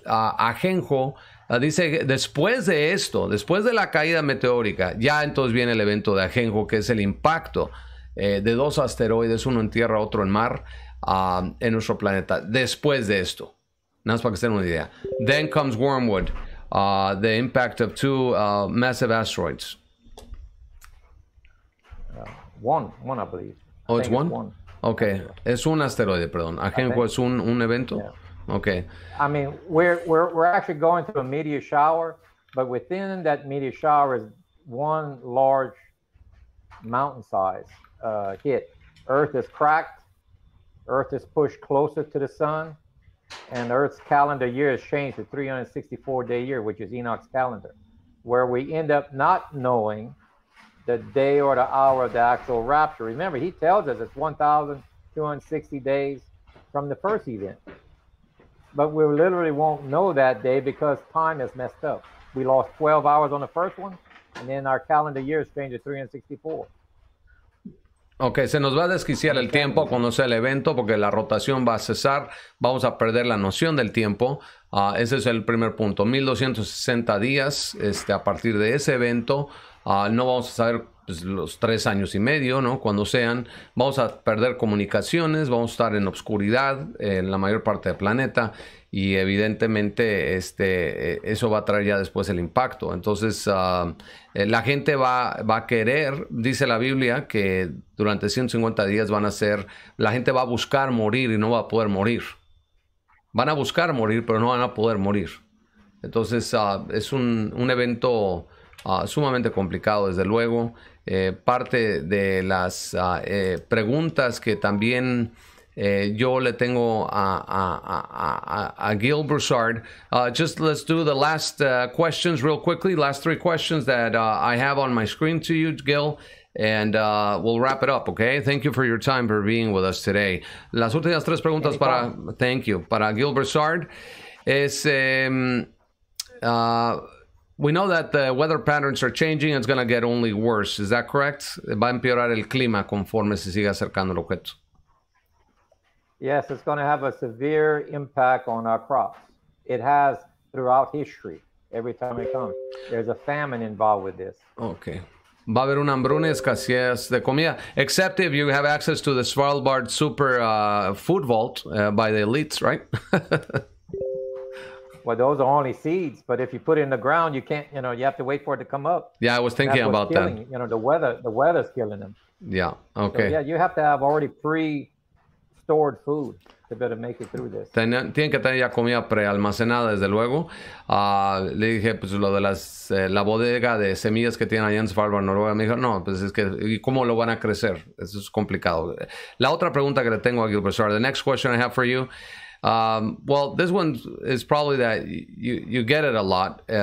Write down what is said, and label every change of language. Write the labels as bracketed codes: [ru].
[es] Ajenjo. Dice, después de esto, después de la caída meteórica, ya entonces viene el evento de Ajenjo, que es el impacto de dos asteroides, uno en tierra, otro en mar, en nuestro planeta. Después de esto, nada más para que se den una idea. [en] Then comes Wormwood, the impact of two massive asteroids. One, I believe. Oh, I it's one? [es] Ok, es un asteroide, perdón. Ajenjo es un evento. [en] Yeah. Okay. I mean, we're actually going through a meteor shower, but within that meteor shower is one large mountain size hit. Earth is cracked. Earth is pushed closer to the sun, and Earth's calendar year has changed to 364-day year, which is Enoch's calendar, where we end up not knowing the day or the hour of the actual rapture. Remember, he tells us it's 1,260 days from the first event. But we literally won't know that day because time is messed up. We lost 12 hours on the first one, and then our calendar year is changed to 364. [es] Okay, se nos va a desquiciar el tiempo cuando sea el evento porque la rotación va a cesar. Vamos a perder la noción del tiempo. Ese es el primer punto. 1260 días a partir de ese evento. No vamos a saber pues, los 3 años y medio, ¿no? Cuando sean, vamos a perder comunicaciones, vamos a estar en obscuridad en la mayor parte del planeta y evidentemente eso va a traer ya después el impacto. Entonces, la gente va a querer, dice la Biblia, que durante 150 días van a ser, la gente va a buscar morir y no va a poder morir. Van a buscar morir, pero no van a poder morir. Entonces, es un evento sumamente complicado, desde luego. Parte de las preguntas que también yo le tengo a Gil Broussard. [en] Just let's do the last questions real quickly. Last 3 questions that I have on my screen to you, Gil. And we'll wrap it up, okay? Thank you for your time for being with us today. [es] Las últimas 3 preguntas para Gil Broussard. [en] is we know that the weather patterns are changing. It's going to get only worse. Is that correct? [es] Va a empeorar el clima conforme se siga acercando el objeto. [en] Yes, it's going to have a severe impact on our crops. It has throughout history. Every time it comes, there's a famine involved with this. Okay. [es] Va a haber una hambruna y escasez de comida. [en] Except if you have access to the Svalbard Super Food Vault by the elites, right? Well, those are only seeds, but if you put it in the ground, you can't, you know, you have to wait for it to come up. Yeah, I was thinking that's about killing, that. You know, the weather's killing them. Yeah, okay. So, yeah, you have to have already pre-stored food to be able to make it through this. [es] Tienen que tener ya comida pre-almacenada, desde luego. Le dije, pues, lo de la bodega de semillas que tienen allá en Svalbard, Noruega. Me dijo, no, pues, es que, ¿y cómo lo van a crecer? Eso es complicado. La otra pregunta que le tengo aquí, profesor, [en] the next question I have for you. Well, this one is probably that you get it a lot.